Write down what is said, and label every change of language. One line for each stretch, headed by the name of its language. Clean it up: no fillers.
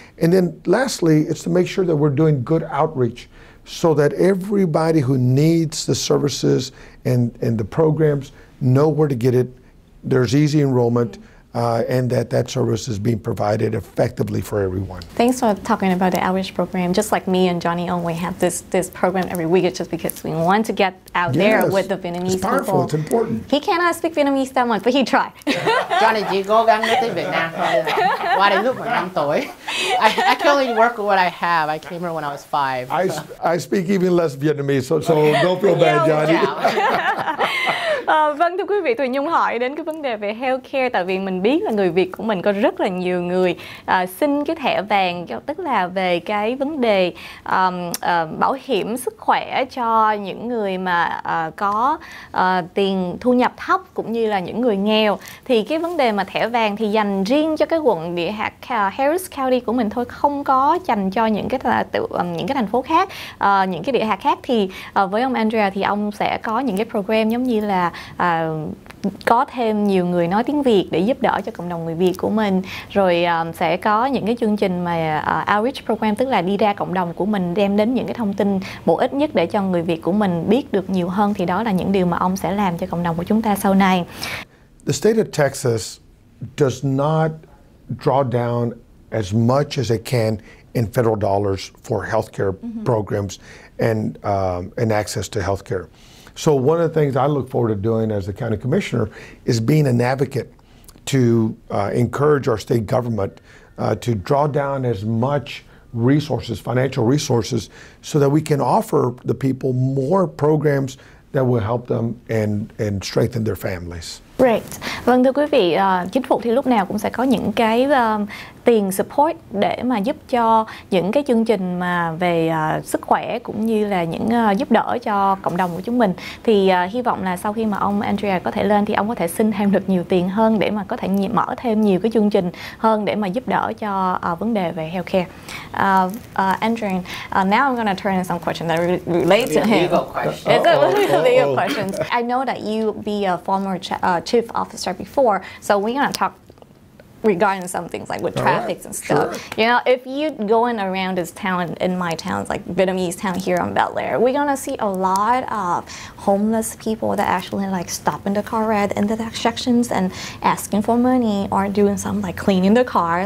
English: And then lastly, it's to make sure that we're doing good outreach so that everybody who needs the services and the programs know where to get it, there's easy enrollment, and that service is being provided effectively for everyone. Thanks for talking about the outreach program. Just like me and Johnny Ong, we have this program every week. It's just because we want to get out there with the Vietnamese people. It's powerful, people. It's important. He cannot speak Vietnamese that much, but he tried.
Vietnamese: Johnny,
English: do you go
Vietnamese: gắng nhất tới Việt Nam thôi. Qua đây lúc mà 5 tuổi.
English: I can only work with what I have. I came here when I was 5. I speak even less Vietnamese, so don't feel bad, Johnny.
Vietnamese: Vâng, thưa quý vị, tụi Nhung hỏi đến cái vấn đề về healthcare, tại vì mình biết là người Việt của mình có rất là nhiều người xin cái thẻ vàng, tức là về cái vấn đề bảo hiểm sức khỏe cho những người mà có tiền thu nhập thấp cũng như là những người nghèo. Thì cái vấn đề mà thẻ vàng thì dành riêng cho cái quận địa hạt Harris County của mình thôi, không có dành cho những cái thành phố khác, những cái địa hạt khác. Thì với ông Andrea thì ông sẽ có những cái program giống như là có thêm nhiều người nói tiếng Việt để giúp đỡ cho cộng đồng người Việt của mình, rồi sẽ có những cái chương trình mà outreach program, tức là đi ra cộng đồng của mình đem đến những cái thông tin bổ ích nhất để cho người Việt của mình biết được nhiều hơn, thì đó là những điều mà ông sẽ làm cho cộng đồng của chúng ta sau này.
English: The state of Texas does not draw down as much as it can in federal dollars for healthcare programs and access to healthcare. So one of the things I look forward to doing as the county commissioner is being an advocate to encourage our state government to draw down as much resources, financial resources, so that we can offer the people more programs that will help them and strengthen their families. Right.
Vietnamese: Vâng, thưa quý vị, chính phủ thì lúc nào cũng sẽ có những cái tiền support để mà giúp cho những cái chương trình mà về sức khỏe cũng như là những giúp đỡ cho cộng đồng của chúng mình. Thì hy vọng là sau khi mà ông Andrea có thể lên thì ông có thể xin thêm được nhiều tiền hơn để mà có thể mở thêm nhiều cái chương trình hơn để mà giúp đỡ cho vấn đề về healthcare.
English: Andrea, now I'm going to turn to some questions that relate to him. Legal questions. I know that you be a former chief officer before, so we're going to talk regarding some things like with traffic and stuff. Sure. You know, if you going around this town, in my town, like Vietnamese town here on Bel Air, we're gonna see a lot of homeless people that actually like stopping the car at the intersections and asking for money or doing something like cleaning the car.